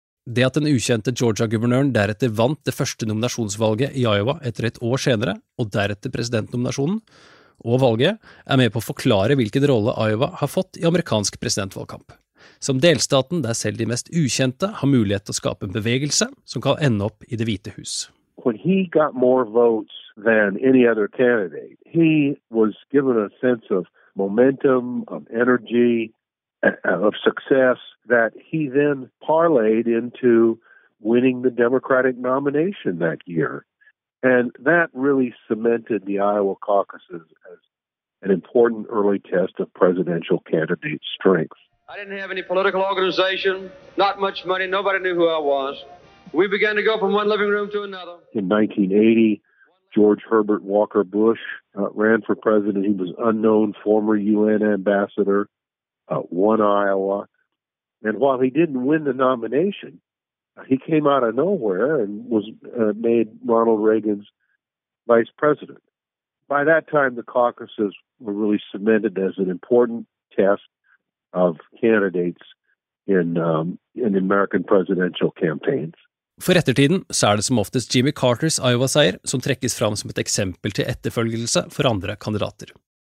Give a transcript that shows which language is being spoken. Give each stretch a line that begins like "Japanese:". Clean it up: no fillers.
Norwegian: Det at den ukjente Georgia-guvernøren deretter vant det første nominasjonsvalget I Iowa etter et år senere, og deretter presidentnominasjonen, og valget, med på å forklare hvilken rolle Iowa har fått I amerikansk presidentvalgkamp. Som delstaten der selv de mest ukjente har mulighet til å skape en bevegelse som kan ende opp I det hvite hus.
English: When he got more votes than any other candidate, he was given a sense of momentum, of energy, of success that he then parlayed into winning the Democratic nomination that year. And that really cemented the Iowa caucuses as an important early test of presidential candidate strength. I didn't have any political organization, not much money, nobody knew who I was. We began to go from one living room to another. In 1980, George Herbert Walker Bush ran for president. He was unknown, former UN ambassador. Won Iowa. And while he didn't win the nomination, he came out of nowhere and was made Ronald Reagan's vice president. By that time, the caucuses were really cemented as an important test of candidates in American presidential campaigns.
Norwegian: For ettertiden så det som oftest Jimmy Carters Iowa-seier som trekkes fram som et eksempel til etterfølgelse for andre kandidater.